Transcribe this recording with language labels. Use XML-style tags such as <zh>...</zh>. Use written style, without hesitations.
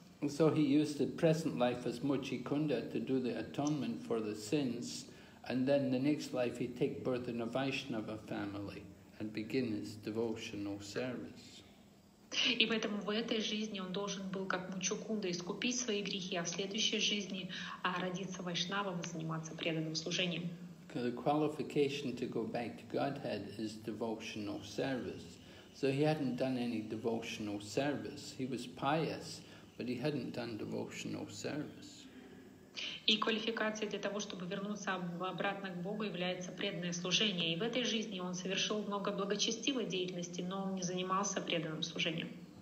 <en>So he used the present life as Mukshakunda to do the atonement for the sins, and then the next life he take birth in a Vaishnava family and begin his devotional service.</en> <ru>И поэтому в этой жизни он должен был как Мучукунда искупить свои грехи, а в следующей жизни родиться вайшнавом и заниматься преданным служением.</ru> <en>The qualification to go back to Godhead is devotional service. So he hadn't done any devotional service. He was pious, but he hadn't done devotional service.</en> <ru>И квалификация для того, чтобы вернуться обратно к Богу, является преданное служение. И в этой жизни он совершил много благочестивой деятельности, но он не занимался преданным служением.</ru>